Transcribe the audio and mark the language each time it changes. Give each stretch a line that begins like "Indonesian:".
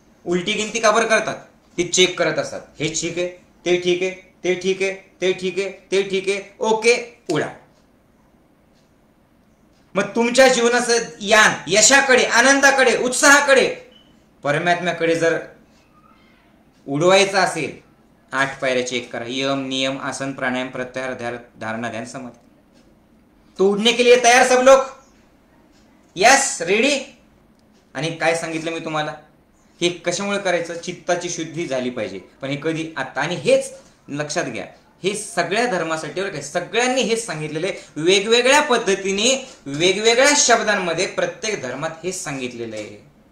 Marathi: उलटी गिनती का बरं करतात? ते चेक करत असतात. हे ठीक आहे, ते ठीक आहे, ते ठीक आहे, ते ठीक आहे, ते ठीक आहे, ओके, उडा. मग तुमच्या जीवनाचं यान यशाकडे, आनंदाकडे, उत्साहाकडे, परमात्म्याकडे जर उडवायचं असेल, आठ पायऱ्या चेक करा. यम नियम आसन प्राणायाम प्रत्याहार धारणा ध्यान समाधी.
Hindi: तोडने के लिए तयार सब लोक?
English: Yes, ready?
Marathi: आणि काय सांगितलं मी तुम्हाला, हे कशामुळे करायचं? चित्ताची शुद्धी झाली पाहिजे. पण हे कधी आता? आणि हेच लक्षात घ्या, हे सगळ्या धर्मासाठी काय, सगळ्यांनी हेच सांगितलेले, वेगवेगळ्या पद्धतीने वेगवेगळ्या शब्दांमध्ये प्रत्येक धर्मात हेच सांगितलेलं आहे.